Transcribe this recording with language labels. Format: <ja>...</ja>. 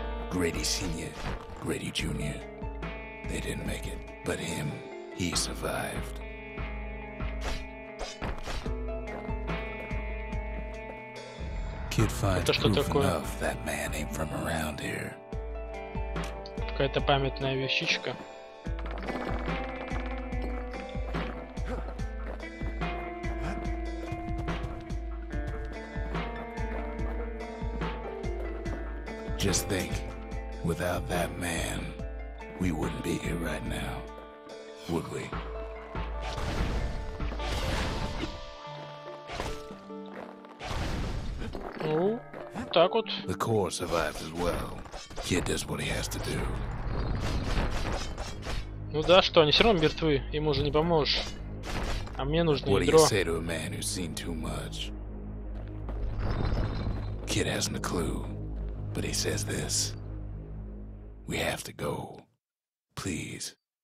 <en>Грэди Сеньор, Грэди Джуниор, they didn't make it. But him, he survived. Kid finds proof enough that man ain't from around here.</en> <ru>Какая-то памятная вещичка.</ru> <en>Just think, without that man, we wouldn't be here right now, would we?</en> <ru>Ну, так вот.</ru> <en>The core survived as well. Kid does what he has to do.</en> <ru>Ну да, что, они все равно мертвы, ему уже не поможешь. А мне нужно</ru> <en>what</en> <ru>ядро.</ru> <en>What do you say to a man who's seen too much? Kid has no clue, but he says this. We have to go. Please.</en>